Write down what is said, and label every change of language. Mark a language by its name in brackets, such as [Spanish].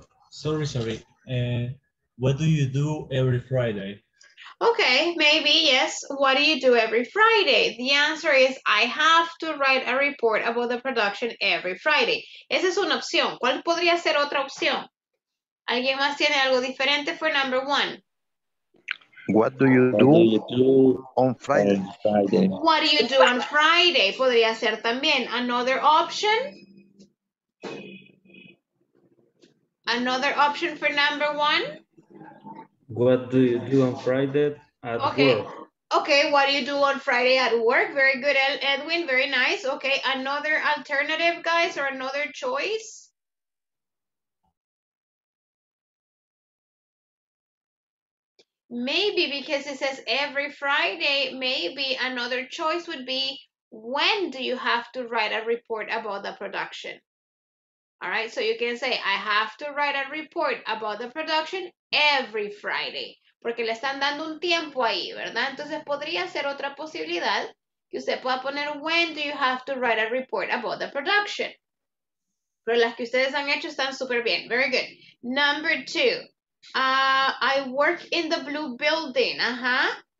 [English] Sorry. What do you do every Friday? Okay, maybe, yes. What do you do every Friday? The answer is, I have to write a report about the production every Friday. [Spanish] Esa es una opción. ¿Cuál podría ser otra opción? ¿Alguien más tiene algo diferente [English] for number one? What do you do, on Friday? What do you do on Friday? [Spanish] Podría ser también. [English] Another option? Another option for number one? What do you do on Friday at work? Okay, what do you do on Friday at work? Very good, Edwin, very nice. Okay, another alternative, guys, or another choice? Maybe, because it says every Friday, maybe another choice would be, when do you have to write a report about the production? All right, so you can say, I have to write a report about the production every Friday. [Spanish] Porque le están dando un tiempo ahí, ¿verdad? Entonces podría ser otra posibilidad que usted pueda poner, [English] when do you have to write a report about the production? [Spanish] Pero las que ustedes han hecho están súper bien. [English] Very good. Number two. I work in the blue building. Uh-huh.